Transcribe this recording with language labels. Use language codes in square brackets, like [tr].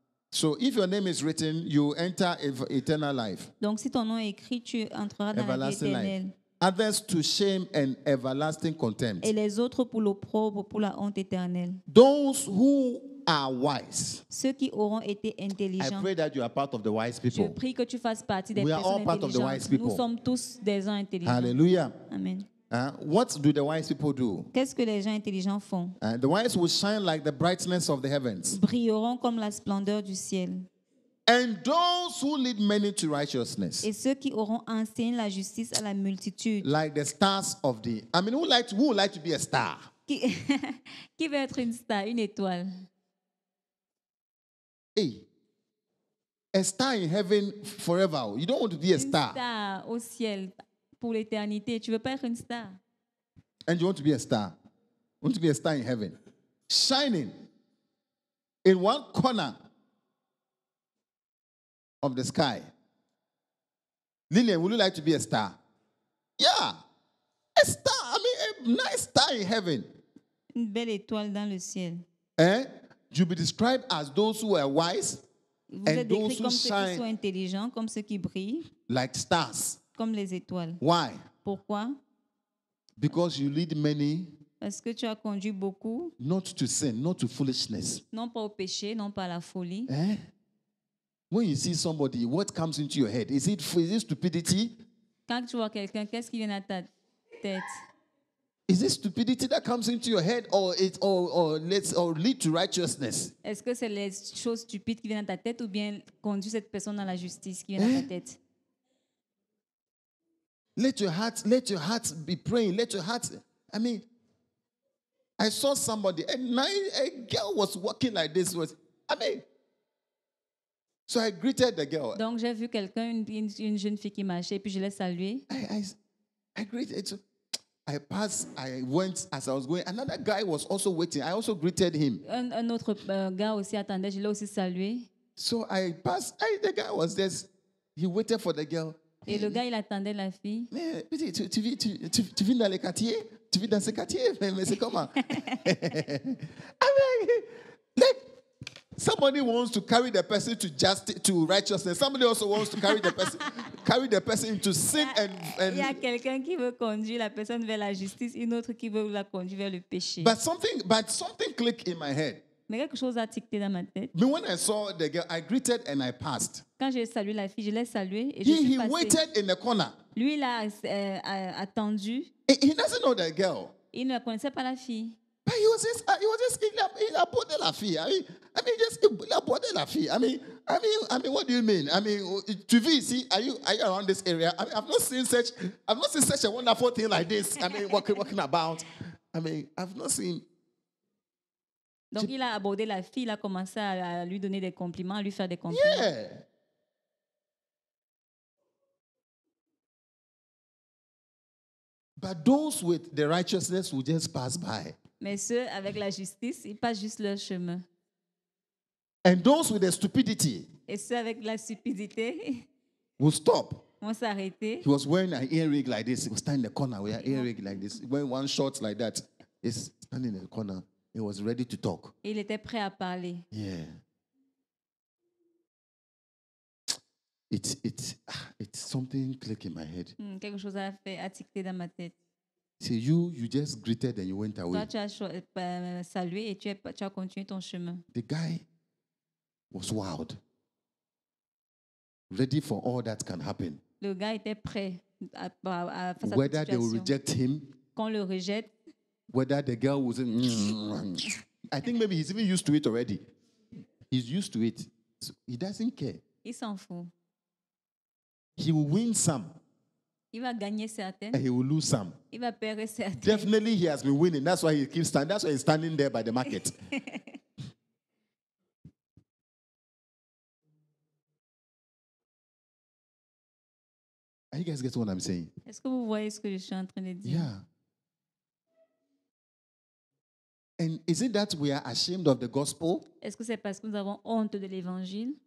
[en] So if your name is written, you enter eternal life. [fr] Donc si ton nom est écrit, tu entreras dans la vie éternelle. [en] Others to shame and everlasting contempt. [fr] Et les autres pour l'opprobre, pour la honte éternelle. [en] Those who are wise. [fr] Ceux qui auront été intelligents. [en] I pray that you are part of the wise people. [fr] Je prie que tu fasses partie des [en] we are all part of the wise people. [fr] Nous sommes tous des gens intelligents. [en] Hallelujah. Amen. What do the wise people do? [fr] Qu'est-ce que les gens intelligents font? [en] The wise will shine like the brightness of the heavens. [fr] Brilleront comme la splendeur du ciel. [en] And those who lead many to righteousness. [fr] Et ceux qui auront enseigné la justice à la multitude. [en] Like the stars of the. I mean, who would like to be a star? [fr] Qui veut être une star, une étoile? [en] Hey, a star in heaven forever. You don't want to be [fr] une [en] a star. [fr] Star au ciel pour l'éternité. Tu veux pas être une star? [en] And you want to be a star? Want to be a star in heaven, shining in one corner. Of the sky. Lillian, would you like to be a star? Yeah. A star. I mean, a nice star in heaven. [fr] Une belle étoile dans le ciel. Eh? [en] You'll be described as those who are wise [fr] vous [en] and those [fr] comme [en] who [fr] ceux [en] shine [fr] qui sont intelligents, comme ceux qui brillent, [en] like stars. [fr] Comme les étoiles. [en] Why? [fr] Pourquoi? [en] Because you lead many. [fr] Parce que tu as conduit beaucoup. [en] Not to sin, not to foolishness. [fr] Non pas au péché, non pas à la folie. Eh? [en] When you see somebody, what comes into your head? Is it stupidity? [fr] Quand tu vois quelqu'un, qu'est-ce qui vient à ta tête? [en] Is it stupidity that comes into your head, or lead to righteousness? [fr] Est-ce que c'est les choses stupides qui viennent à ta tête, ou bien conduit cette personne à la justice qui vient à ta tête? [en] Let your heart be praying. Let your heart. I mean, I saw somebody, a girl was walking like this. So I greeted the girl. [fr] Donc j'ai vu quelqu'un, une jeune fille qui marchait, puis je l'ai saluée. [en] I greeted. I passed, I went as I was going. Another guy was also waiting. I also greeted him. [fr] Un autre gars aussi attendait. Je l'ai aussi salué. [en] So I passed. The guy was there. He waited for the girl. [fr] Et le gars, il attendait la fille. Mais tu vis dans le quartier? Tu vis dans ce quartier? Mais c'est comment? [en] I mean, somebody wants to carry the person to justice, to righteousness. Somebody also wants to carry the person into sin and. [fr] Il y a quelqu'un qui veut conduire la personne vers la justice, une autre qui veut la conduire vers le péché. [en] But something clicked in my head. [fr] Mais quelque chose a tiqué dans ma tête. [en] But when I saw the girl, I greeted and I passed. [fr] Quand j'ai salué la fille, je l'ai saluée et je suis passée. [en] He waited in the corner. [fr] Lui l'a attendu. [en] He doesn't know the girl. [fr] Il ne la connaissait pas la fille. [en] But he was just what do you mean? I mean, to be, see, are you around this area? I mean, I've not seen such a wonderful thing like this. I mean, walking about. I mean, I've not seen. [fr] Donc il a abordé la fille, il a commencé à lui donner des compliments, à lui faire des compliments. [en] Yeah. But those with the righteousness will just pass by. [fr] Mais ceux avec la justice, ils passent juste leur chemin. [en] And those with the stupidity. [fr] Et ceux avec la stupidité. [en] Will stop. [fr] Vont s'arrêter. [en] He was wearing an earring like this. He was standing in the corner with an earring like this. Wearing one short like that. He's standing in the corner. He was ready to talk. [fr] Il était prêt à parler. [en] Yeah. It's something click in my head. [fr] Quelque chose a tiqué dans ma tête. [en] See, you just greeted and you went away. [fr] Toi, tu as salué et tu as continué ton chemin. [en] The guy was wild. Ready for all that can happen. [fr] Le gars était prêt à face à la situation. [en] Whether they will reject him. [fr] Qu'on le rejette. [en] Whether the girl was in, I think maybe he's even used to it already. He's used to it. So he doesn't care. [fr] Il s'en fout. [en] He will win some. [fr] Il va gagner certaines. [en] And he will lose some. [fr] Il va perdre certaines. [en] Definitely he has been winning. That's why he keeps standing. That's why he's standing there by the market. Are you guys getting what I'm saying? [fr] Est-ce que vous voyez ce que je suis en train de dire? [en] Yeah. And is it that we are ashamed of the gospel? [fr] Est-ce que c'est parce que nous avons honte de l'évangile?